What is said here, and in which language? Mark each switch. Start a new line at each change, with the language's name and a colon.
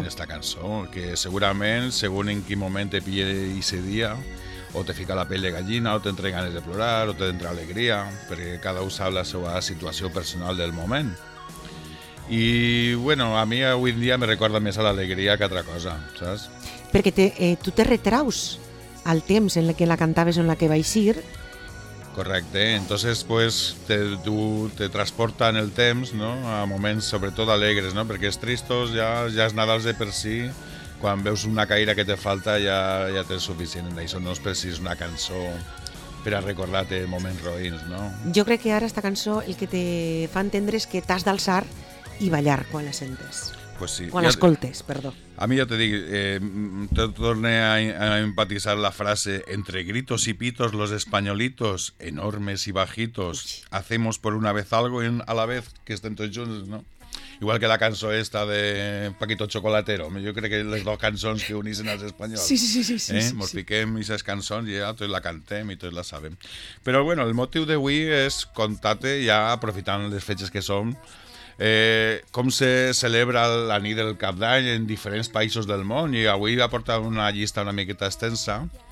Catalan: En esta cançó, que segurament, segons en quin moment te pille ese dia, o te fica la pell de gallina, o t'entra ganes de plorar, o t'entra alegria, perquè cada un sap la seva situació personal del moment. I, bueno, a mi avui en dia me recorda més a l'alegria que a altra cosa, saps? Perquè tu te retraus al temps en què la cantaves o en què vaig ir. Correcte. Entonces, pues, te transporta en el temps, no? A moments, sobretot, alegres, no? Perquè és tristos, ja és Nadal de per si. Quan veus una caïra que te falta, ja tens suficient. Això no és precís una cançó per a recordar-te moments roïns, no? Jo crec que ara esta cançó el que te fa entendre és que t'has d'alçar i ballar quan la sentes.
Spanish: Pues sí.
Catalan: Quan l'escoltes, perdó. A mi ja te dic, te torne a empatitzar la frase
Spanish: entre gritos i pitos los españolitos, enormes i bajitos, hacemos por una vez algo en, a la vez
Catalan: que estem tots junts, no? Igual que la cançó esta de Paquito Chocolatero. Jo crec que les dues cançons que unissen als espanyols. Sí, sí, sí. Sí, sí, mos piquem aquestes cançons i ja tots la cantem i tots la sabem. Però bueno, el motiu d'avui és contar-te, ja aprofitant les fetges que som, com se celebra la nit del Cap d'Any en diferents països del món. I avui he aportat una llista una miqueta extensa.